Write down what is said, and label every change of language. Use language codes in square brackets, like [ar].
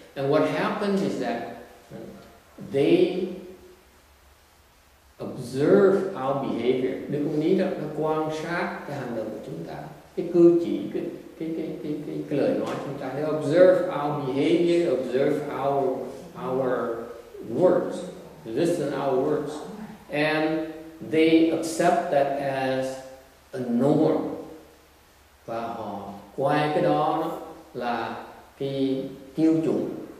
[en] And what happens is that they observe our behavior. [vi] Đức Công Lý đó nó quan sát cái hành động của chúng ta, cái cư chỉ, cái lời nói chúng ta. [en] They observe our behavior, observe our words, listen our words, and they accept that as a norm. [vi] Và họ coi cái đó là cái tiêu chuẩn.